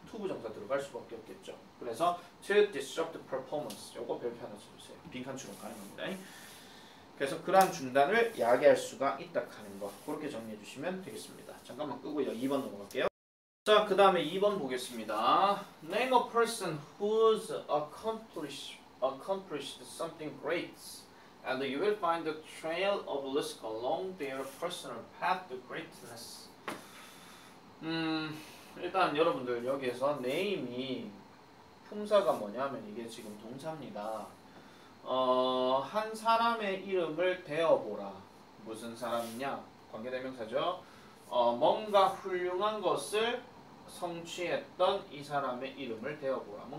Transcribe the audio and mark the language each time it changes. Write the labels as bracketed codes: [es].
[ko] to 부정사 들어갈 수밖에 없겠죠. [en] 그래서 to disrupt performance. [ko] 요거 별표 하나 쳐주세요. 빈칸 추론 가능합니다. 그래서 그러한 중단을 야기할 수가 있다 하는 거. 그렇게 정리해 주시면 되겠습니다. 잠깐만 끄고요. 2번 넘어갈게요. 자, 그 다음에 2번 보겠습니다. [en] Name a person who's accomplished something great, and you will find a trail of risk along their personal path to greatness. [ko] 일단 여러분들 여기에서 name이 품사가 뭐냐면 이게 지금 동사입니다. 한 사람의 이름을 대어보라. 무슨 사람이냐? 관계대명사죠. 뭔가 훌륭한 것을 성취했던 이 사람의 이름을 대어보라.